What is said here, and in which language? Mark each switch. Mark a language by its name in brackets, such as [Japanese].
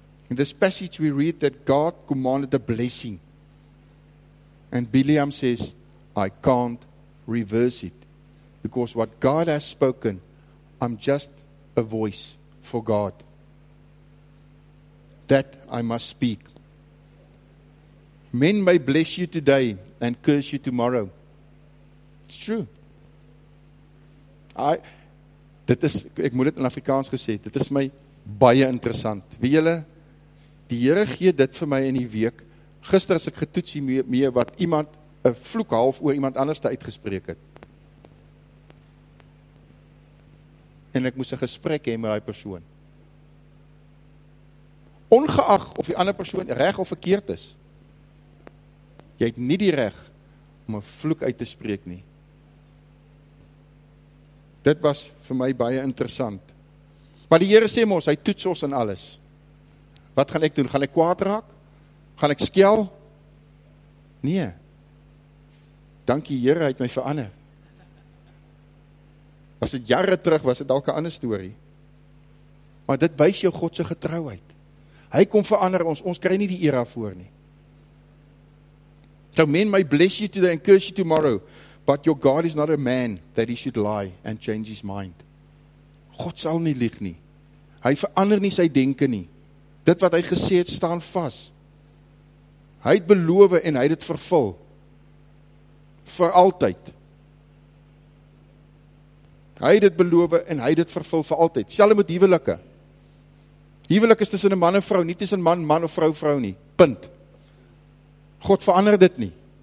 [English] In this passage we read that God commanded a blessing. And Bileam says, I can't reverse it. Because what God has spoken, I'm just a voice for God that I must speak. Men may bless you today and curse you tomorrow. It's true. [Afrikaans] Ek moet dit in Afrikaans gesê, dit is my baie interessant. Weet julle, die Here gee dit vir my in die week. Gister as ek getoets mee wat iemand, 'n vloek half oor iemand anders uitgespreek het. En ek moes 'n gesprek hê met daai persoon. Ongeag of die ander persoon reg of verkeerd is, jy het nie die reg om 'n vloek uit te spreek nie. Dit was vir my baie interessant. Maar die Here sê mos, hy toets ons in alles. Wat gaan ek doen? Gaan ek kwaad raak? Gaan ek skel? Nee. Dankie Here, hy het my verander. As dit jare terug was, het dalk 'n ander storie. Maar dit wys jou God se getrouheid. Hy kom verander ons, ons kry nie die era voor nie. [English] So men may bless you today and curse you tomorrow, but your God is not a man that he should lie and change his mind. [Afrikaans] God sal nie lieg nie. Hy verander nie sy denke nie. Dit wat hy gesê het, staan vas. Hy het beloof en hy het dit vervul. Vir altyd. Hy het dit beloof en hy het dit vervul vir altyd. Selfs met huwelike. Huwelik is tussen 'n man en vrou, nie tussen man of vrou nie. Punt. God verander dit nie.